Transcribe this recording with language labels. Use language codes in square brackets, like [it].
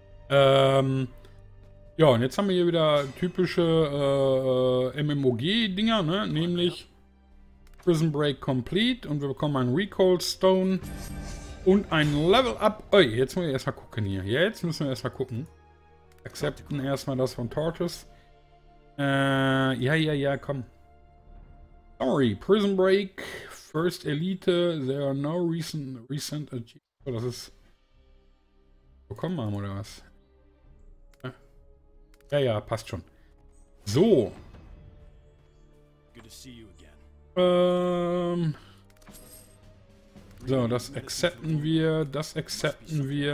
[de] Ja, und jetzt haben wir hier wieder typische MMOG-Dinger, ne? Nämlich Prison Break Complete und wir bekommen einen Recall Stone und ein Level Up. Oh, jetzt müssen wir erstmal gucken hier. Ja, jetzt müssen wir erstmal gucken. Akzepten erstmal das von Tortoise. Ja, komm. [en] Sorry, Prison Break, First Elite, there are no recent achievements. [de] Oh, das ist bekommen haben oder was? Ja, ja, passt schon. So. [en] Good to see you again. [de] So, das accepten wir. Das accepten wir.